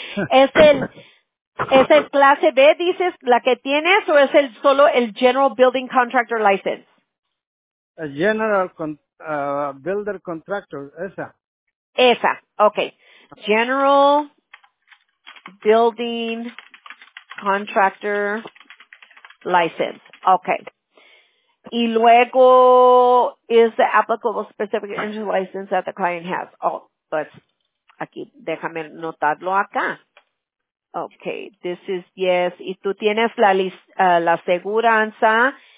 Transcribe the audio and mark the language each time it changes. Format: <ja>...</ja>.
<es>¿Es el clase B, dices, la que tienes, o es el solo el General Building Contractor License? El General Builder Contractor, esa. Esa, okay. General Building</es> <en>contractor license. Okay.</en> <es>Y luego,</es> <en>is the applicable specific industry license that the client has? Oh, but</en> <es>aquí, déjame notarlo acá.</es> <en>Okay, this is yes.</en> <es>Y tú tienes la aseguranza.</es>